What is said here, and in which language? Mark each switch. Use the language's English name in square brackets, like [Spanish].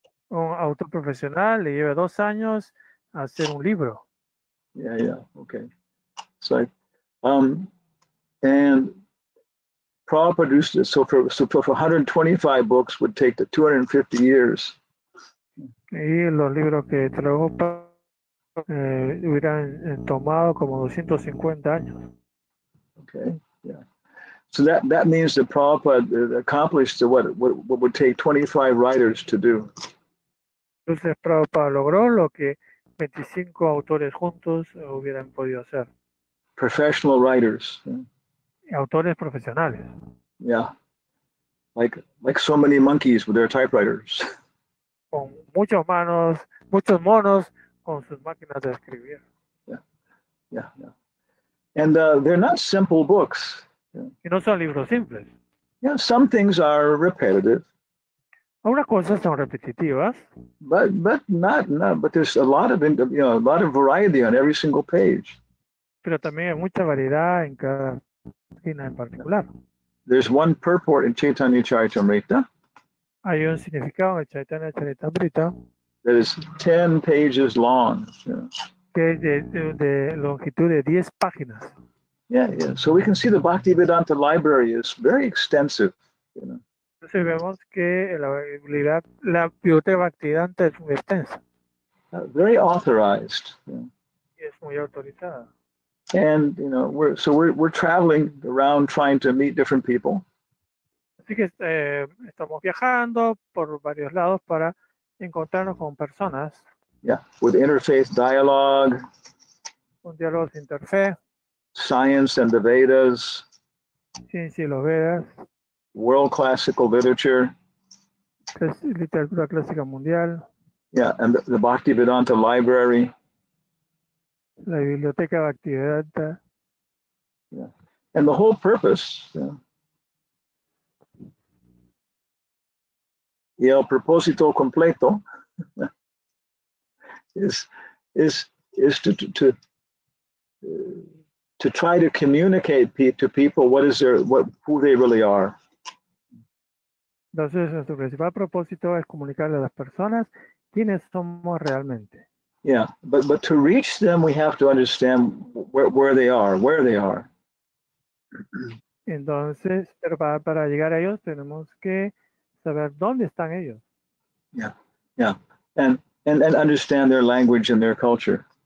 [Spanish] Un autor profesional le lleva 2 años a hacer un libro. [English] Yeah, yeah, okay. So and Prabhupada produced it, so for 125 books would take the 250 years. [Spanish] Y los libros que trajo hubieran tomado como 250 años. [English] Okay, yeah. So that means the Prabhupada accomplished what would take 25 writers to do. [Spanish] Entonces Prabhupada logró lo que 25 autores juntos hubieran podido hacer. [English] Professional writers. [Spanish] Autores profesionales. [English] Yeah. Like so many monkeys with their typewriters. [Spanish] Con muchos manos, muchos monos con sus máquinas de escribir. [English] Yeah. And they're not simple books. [Spanish] Y no son libros simples. [English] Yeah, some things are repetitive. [Spanish] Algunas cosas son repetitivas. [English] But there's a lot of a lot of variety on every single page. [Spanish] Pero también hay mucha variedad en cada página en particular. [English] There's one purport in Chaitanya Charitamrita. [Spanish] Hay un significado en Chaitanya Charitamrita. [English] That is 10 pages long. [Spanish] Que es de longitud de 10 páginas. [English] Yeah. So we can see the Bhaktivedanta library is very extensive. [Spanish] Entonces vemos que la biblioteca Bhaktivedanta es muy extensa. [English] Very authorized. [Spanish] Y es muy autorizada. [English] And we're traveling around trying to meet different people. [Spanish] Así que estamos viajando por varios lados para encontrarnos con personas. [English] Yeah, with interfaith dialogue. [Spanish] Un diálogo de interfe. [English] Science and the Vedas. [Spanish] Ciencia y los Vedas. [English] World classical literature. [Spanish] Literatura clásica mundial. [English] Yeah, and the Bhaktivedanta library. [Spanish] La biblioteca de actividad. [English] Yeah. And the whole purpose. Yeah. [Spanish] Y el propósito completo [English] is to try to communicate to people who they really are. [Spanish] Entonces, nuestro principal propósito es comunicarle a las personas quiénes somos realmente. [English] Yeah, but to reach them, we have to understand where they are. [Spanish] Entonces, pero para llegar a ellos, tenemos que saber dónde están ellos. [English] Yeah, and understand their language and their culture.